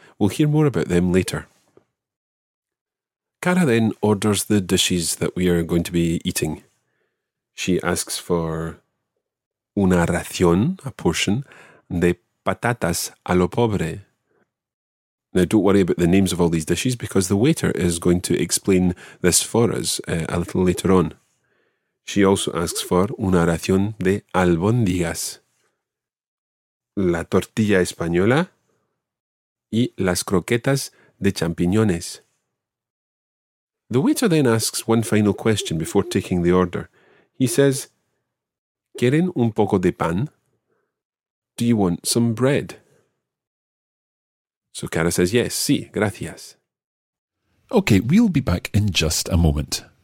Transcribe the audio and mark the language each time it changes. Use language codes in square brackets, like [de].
[en] We'll hear more about them later. Cara then orders the dishes that we are going to be eating. She asks for [es] una ración, [en] a portion, [es] de patatas a lo pobre. [en] Now, don't worry about the names of all these dishes because the waiter is going to explain this for us a little later on. She also asks for [es] una ración de albóndigas, la tortilla española y las croquetas de champiñones. [en] The waiter then asks one final question before taking the order. He says, [es] ¿Quieren un poco de pan? [en] Do you want some bread? So Cara says, yes, [es] sí, gracias. [en] Okay, we'll be back in just a moment.